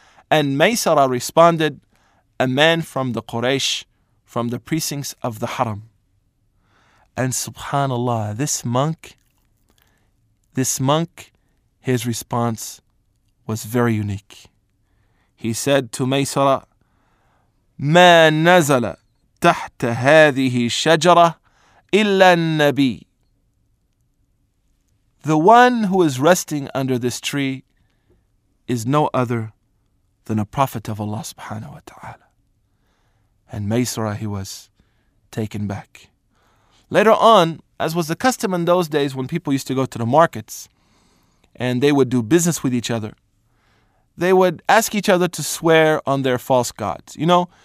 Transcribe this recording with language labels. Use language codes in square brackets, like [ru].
[en] And Maysara responded, "A man from the Quraysh, from the precincts of the Haram." And subhanallah, this monk, his response was very unique. He said to Maysara, [ar] "ما نزل تحت هذه الشجرة إلا النبي." [en] The one who is resting under this tree is no other than a prophet of Allah subhanahu wa ta'ala. And Maysara, he was taken back. Later on, as was the custom in those days when people used to go to the markets and they would do business with each other, they would ask each other to swear on their false gods, you know?